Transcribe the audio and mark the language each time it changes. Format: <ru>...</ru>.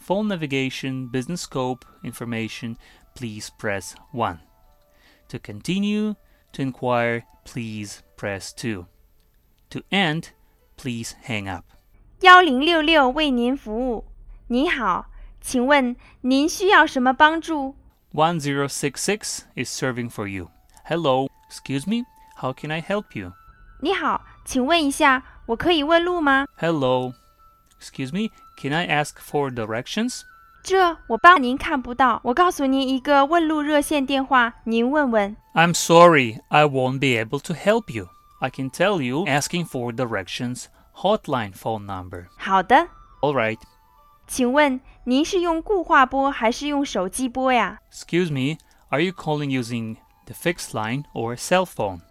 <en>Phone navigation business scope information. Please press 1. To continue. To inquire, please press 2. To end, please hang up.</en> <zh>1066为您服务。你好，请问您需要什么帮助？</zh> <en>1066 is serving for you. Hello, excuse me, how can I help you?</en> <zh>你好，请问一下，我可以问路吗？</zh> <en>Hello, excuse me, can I ask for directions?</en> <zh>这我帮您看不到，我告诉您一个问路热线电话，您问问。</zh> <en>I'm sorry, I won't be able to help you. I can tell you asking for directions hotline phone number.</en> <zh>好的。</zh> <en>All right.</en> <zh>请问您是用固话拨还是用手机拨呀？</zh> <en>Excuse me, are you calling using the fixed line or cell phone?</en>